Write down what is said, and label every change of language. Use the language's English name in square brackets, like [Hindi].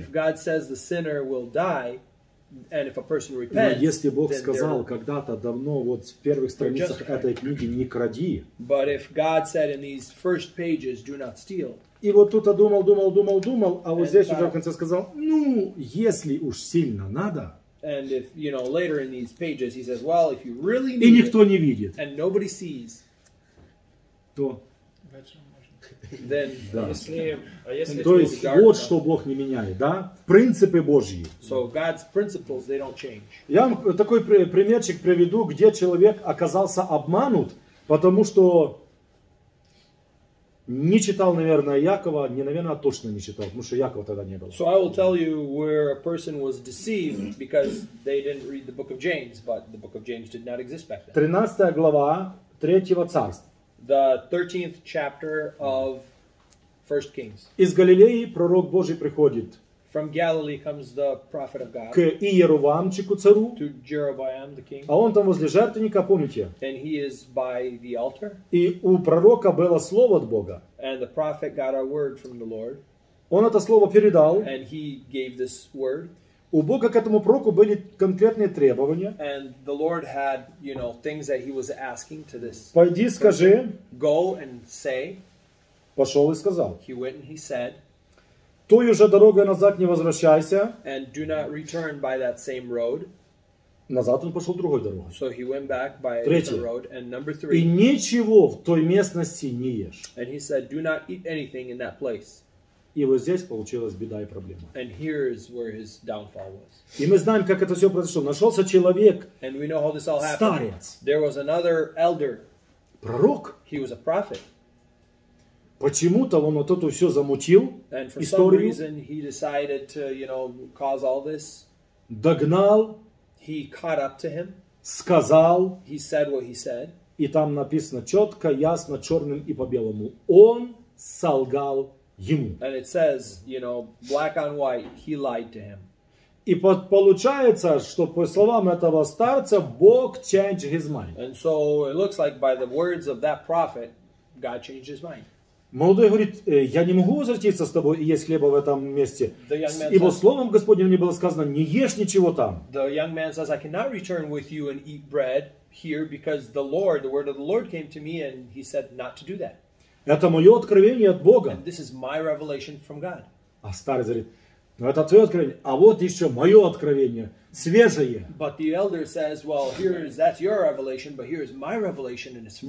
[English] If God says the sinner will die, and if a person repents, [Russian] но если Бог сказал когда-то давно, вот в первых страницах этой книги, не кради. [English] But if God said in these first pages, do not steal. [Russian] И вот тут я думал, думал, думал, думал, а вот здесь уже в конце сказал, ну, если уж сильно надо. [English] And if, you know, later in these pages, he says, well, if you really need [Russian] it, и никто не видит, [English] and nobody sees, [Russian] то, [English] then, [Russian] да. если то есть, [English] dark, [Russian] вот что Бог не меняет, да? Принципы Божьи. [English] So God's principles, they don't change. [Russian] Я вам такой примерчик приведу, где человек оказался обманут, потому что Не читал, наверное, Якова, не, наверное, точно не читал, потому что Якова тогда не было. [English] So I will tell you where a person was deceived because they didn't read the book of James, but the book of James did not exist back then. [Russian] 13 глава третьего царства. [English] The 13th chapter of 1 Kings. [Russian] Из Галилеи пророк Божий приходит. [English] From Galilee comes the prophet of God. [Russian] К Иеровоамчику цару. [English] To Jeroboam, the king. [Russian] А он там возле жертвенника, помните? [English] And he is by the altar. [Russian] И у пророка было слово от Бога. [English] And the prophet got a word from the Lord. [Russian] Он это слово передал. [English] And he gave this word. [Russian] У Бога к этому пророку были конкретные требования. [English] And the Lord had, you know, things that he was asking to this. [Russian] Пойди, скажи. [English] Go and say. [Russian] Пошел и сказал. [English] He went and he said. [Russian] Той уже дорогой назад не возвращайся. [English] And do not return by that same road. [Russian] Назад он пошел другой дорогой. [English] So he went back by another road. And number three. [Russian] И ничего в той местности не ешь. [English] And he said, do not eat anything in that place. [Russian] И вот здесь получилась беда и проблема. [English] And here is where his downfall was. [Russian] И мы знаем, как это все произошло. Нашелся человек. [English] And we know how this all happened. [Russian] Старец. [English] There was another elder. [Russian] Пророк. [English] He was a prophet. [Russian] Почему-то он вот это все замутил, [English] and for [Russian] историю, [English] some reason he decided to, you know, cause all this. [Russian] Догнал, [English] he caught up to him, [Russian] сказал, [English] he said what he said, [Russian] и там написано четко, ясно, черным и по белому, он солгал ему. [English] And it says, you know, black on white, he lied to him. [Russian] И получается, что по словам этого старца, Бог [English] changed his mind. And so it looks like by the words of that prophet, God changed his mind. [Russian] Молодой говорит, я не могу возвратиться с тобой и есть хлеба в этом месте. Ибо словом Господним мне было сказано, не ешь ничего там. [English] The young man says, I cannot return with you and eat bread here because the Lord, the word of the Lord came to me and he said not to do that. [Russian] Это мое откровение от Бога. [English] And this is my revelation from God. [Russian] А старый говорит, ну это твое откровение, а вот еще мое откровение, свежее. [English] But the elder says, well, here is, that's your revelation, but here is my revelation and it's fresh.